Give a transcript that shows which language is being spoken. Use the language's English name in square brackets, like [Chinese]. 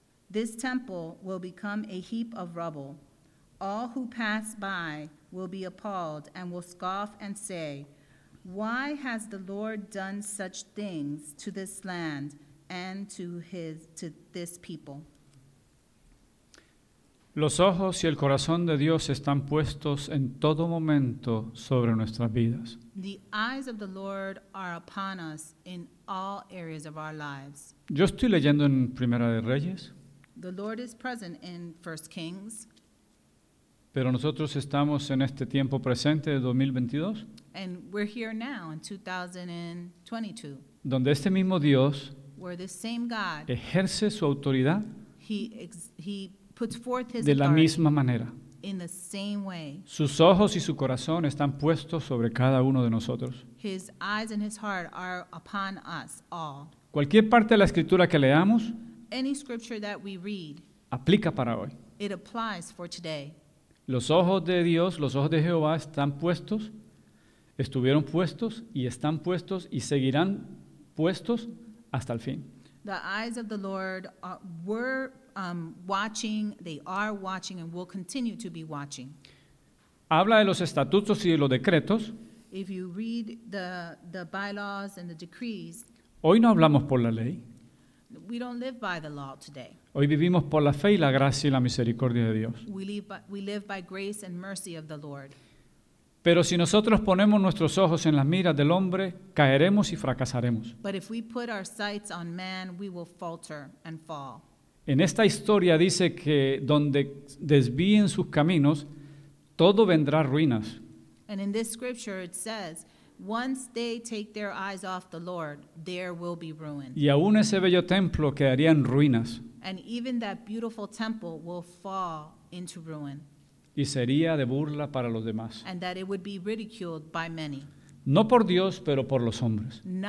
[English] This temple will become a heap of rubble. All who pass by will be appalled and will scoff and say, why has the Lord done such things to this land and to this people? [Spanish] Los ojos y el corazón de Dios están puestos en todo momento sobre nuestras vidas. [English] The eyes of the Lord are upon us in all areas of our lives. [Spanish] Yo estoy leyendo en Primera de Reyes. [English] The Lord is present in 1 Kings. [Spanish] Pero nosotros estamos en este tiempo presente de 2022. [English] And we're here now in 2022. [Spanish] Donde este mismo Dios, [English] where the same God, [Spanish] ejerce su autoridad. [English] He puts forth his [Spanish] de la misma manera. [English] In the same way. [Spanish] Sus ojos y su corazón están puestos sobre cada uno de nosotros. [English] His eyes and his heart are upon us all. [Spanish] Cualquier parte de la escritura que leamos, [English] any scripture that we read, [Spanish] aplica para hoy. [English] It applies for today. [Spanish] Los ojos de Dios, los ojos de Jehová están puestos, estuvieron puestos y están puestos y seguirán puestos hasta el fin. [English] The eyes of the Lord are watching and will continue to be watching. [Spanish] Habla de los estatutos y de los decretos. [English] If you read the bylaws and the decrees, [Spanish] hoy no hablamos por la ley. [English] We don't live by the law today. [Spanish] Hoy vivimos por la fe y la gracia y la misericordia de Dios. [English] We live by grace and mercy of the Lord. [Spanish] Pero si nosotros ponemos nuestros ojos en las miras del hombre, caeremos y fracasaremos. [English] But if we put our sights on man, we will falter and fall. [Spanish] En esta historia dice que donde desvíen sus caminos, todo vendrá ruinas. [English] And in this scripture it says, once they take their eyes off the Lord, there will be ruin. [Spanish] Y aún ese bello templo quedaría en ruinas. [English] And even that beautiful temple will fall into ruin. [Spanish] Y sería de burla para los demás. [English] And that it would be ridiculed by many. [Spanish] No por Dios, pero por los hombres.